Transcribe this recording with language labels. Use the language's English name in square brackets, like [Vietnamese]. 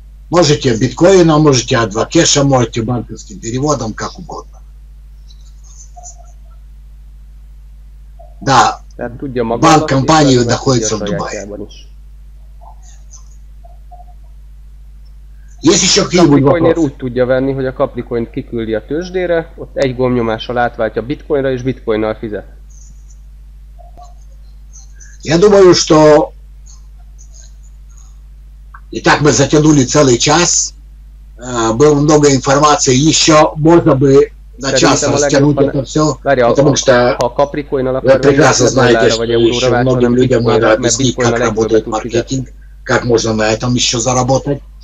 [Russian] Можете биткоином, можете адвокешем, можете банковским переводом, как угодно. Да, банк компании находится в Дубае. [Hungarian] Каприкоинер úgy tudja venni, hogy a Capricoin-t kiküldi a tőzsdére, ott egy gombnyomással átváltja bitcoinra és bitcoinnal fizet. [Russian] Я думаю, что и так мы затянули целый час, было много информации, еще можно бы на час растянуть это все, потому что вы прекрасно знаете, что еще многим людям надо объяснить, как работает маркетинг, как можно на этом еще заработать.